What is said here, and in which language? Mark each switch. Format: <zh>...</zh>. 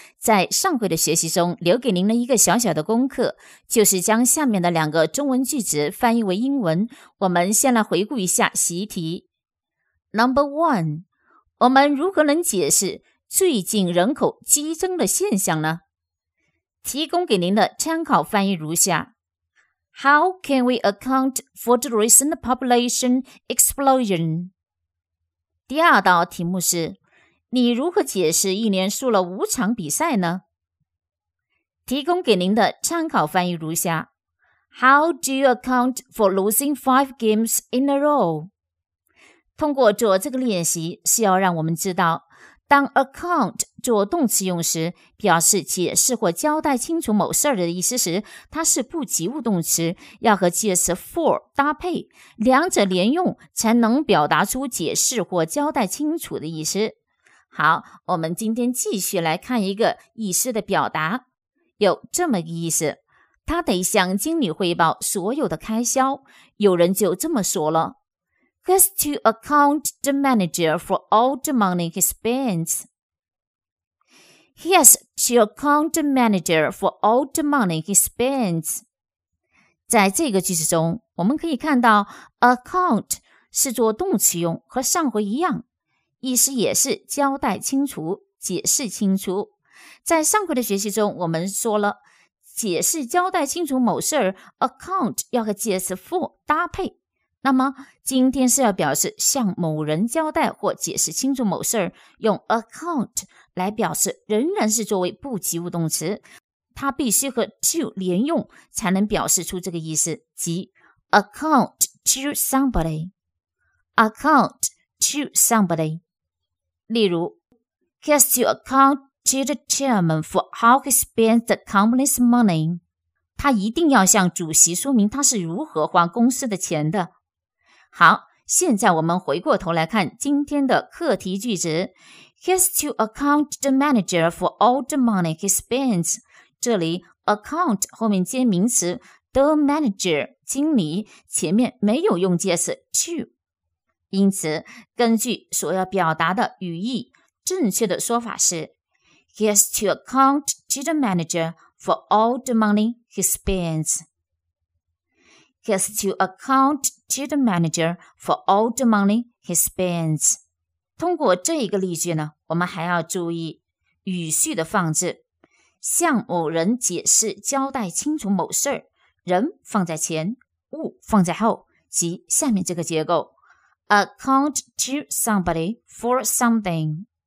<zh>在上回的学习中，留给您了一个小小的功课，就是将下面的两个中文句子翻译为英文。我们先来回顾一下习题。</zh> <en>Number one，</en> <zh>我们如何能解释最近人口激增的现象呢？提供给您的参考翻译如下。</zh> <en>How can we account for the recent population explosion?</en> <zh>第二道题目是，你如何解释一连输了五场比赛呢？提供给您的参考翻译如下。</zh> <en>How do you account for losing 5 games in a row?</en> <zh>通过做这个练习，是要让我们知道，当 account 做动词用时，表示解释或交代清楚某事儿的意思时，它是不及物动词，要和介词 for 搭配，两者连用才能表达出解释或交代清楚的意思。好，我们今天继续来看一个意思的表达，有这么个意思，他得向经理汇报所有的开销，有人就这么说了。</zh> <en>Has to account the manager for all the money he spends. He has to account the manager for all the money he spends.</en> <zh>在这个句子中，我们可以看到 account 是做动词用，和上回一样，意思也是交代清楚，解释清楚。在上回的学习中，我们说了，解释交代清楚某事 account 要和介词 for 搭配。那么今天是要表示向某人交代或解释清楚某事，用 account 来表示，仍然是作为不及物动词，它必须和 to 连用才能表示出这个意思，即 account to somebody， account to somebody。例如</zh> <en>has to account to the chairman for how he spends the company's money，</en> <zh>他一定要向主席说明他是如何花公司的钱的。好，现在我们回过头来看今天的课题句子。 Has to account the manager for all the money he spends. 这里 account 后面接名词 the manager 经理，前面没有用介词 to。因此，根据所要表达的语义，正确的说法是</zh> <en>Has to account to the manager for all the money he spends. Has to account to the manager for all the money he spends.</en> <zh>通过这一个例句呢，我们还要注意语序的放置。向某人解释交代清楚某事，人放在前，物放在后，即下面这个结构。</zh> <en>Account to somebody for something.</en>